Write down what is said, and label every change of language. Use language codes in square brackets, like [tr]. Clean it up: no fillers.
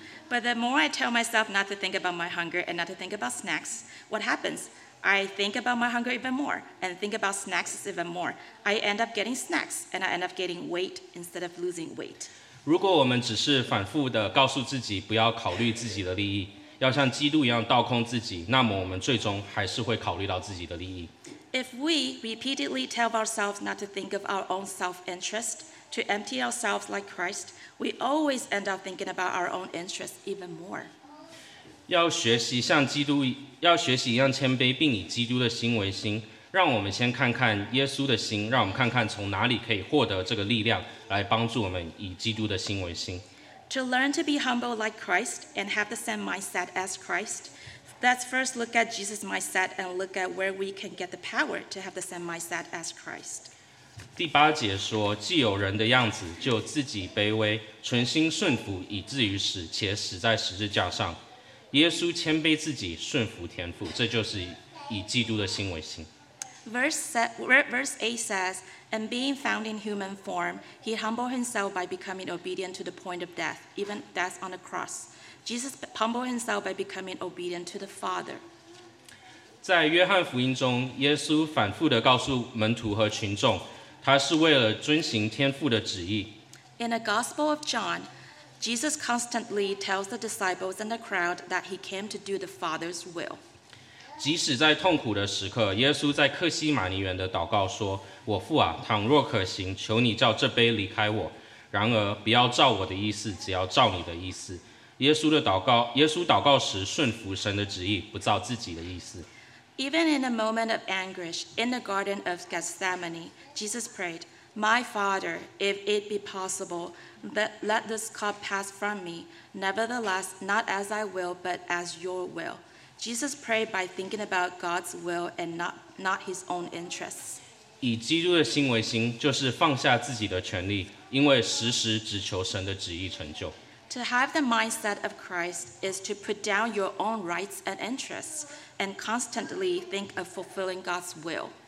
[en] But the more I tell myself not to think about my hunger and not to think about snacks, what happens? I think about my hunger even more and think about snacks even more. I end up getting snacks and I end up getting weight instead of losing weight. [zh] 如果我们只是反复地告诉自己不要考虑自己的利益，要像基督一样倒空自己，那么我们最终还是会考虑到自己的利益。 [en] If we repeatedly tell ourselves not to think of our own self-interest, to empty ourselves like Christ, we always end up thinking about our own interests even more. [zh] 要学习像基督，要学习一样谦卑，并以基督的心为心。让我们先看看耶稣的心，让我们看看从哪里可以获得这个力量，来帮助我们以基督的心为心。 [en] To learn to be humble like Christ and have the same mindset as Christ, let's first look at Jesus' mindset and look at where we can get the power to have the same mindset as Christ. [zh] 第八节说，既有人的样子，就自己卑微，存心顺服，以至于死，且死在十字架上。耶稣谦卑自己，顺服天父，这就是以基督的心为心。 [en] Verse 8 says, And being found in human form, he humbled himself by becoming obedient to the point of death, even death on the cross. Jesus humbled himself by becoming obedient to the Father. [zh] 在约翰福音中，耶稣反复地告诉门徒和群众，他是为了遵行天父的旨意。 [en] In the Gospel of John, Jesus constantly tells the disciples and the crowd that he came to do the Father's will. [zh] 即使在痛苦的时刻，耶稣在客西马尼园的祷告说：“我父啊，倘若可行，求你叫这杯离开我。然而，不要照我的意思，只要照你的意思。” 耶稣祷告时顺服神的旨意，不照自己的意思。 [en] Even in a moment of anguish in the Garden of Gethsemane, Jesus prayed, "My Father, if it be possible, let this cup pass from me. Nevertheless, not as I will, but as Your will." Jesus prayed by thinking about God's will and not his own interests. [zh] 以基督的心为心，就是放下自己的权利，因为时时只求神的旨意成就。 [en] To have the mindset of Christ is to put down your own rights and interests and constantly think of fulfilling God's will.